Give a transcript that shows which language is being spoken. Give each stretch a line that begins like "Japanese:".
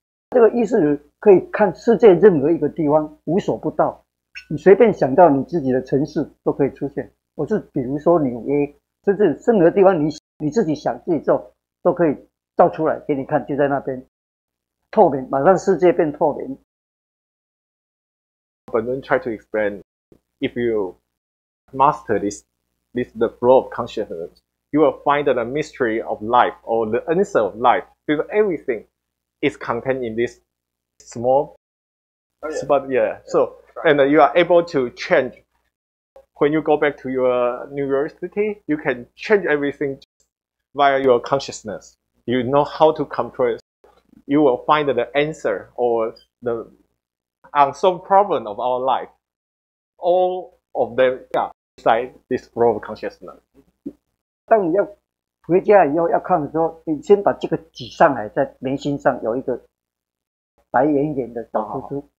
Chinese: 这个意识流可以看世界任何一个地方，无所不到。你随便想到你自己的城市都可以出现。我是比如说纽约，甚至任何地方你自己想自己做，都可以照出来给你看，就在那边。透明，马上世界变透明。
English: 本尊 try to explain, if you master this the flow of consciousness, you will find the mystery of life or the answer of life, because everything is contained in this small spot. Yeah. So, and you are able to change when you go back to your New York City. You can change everything via your consciousness. You know how to control it. You will find the answer or the unsolved problem of our life. All of them, yeah, inside this flow of consciousness.
Chinese: 当你要回家以后要看的时候，你先把这个挤上来，在眉心上有一个白圆圆的小突出。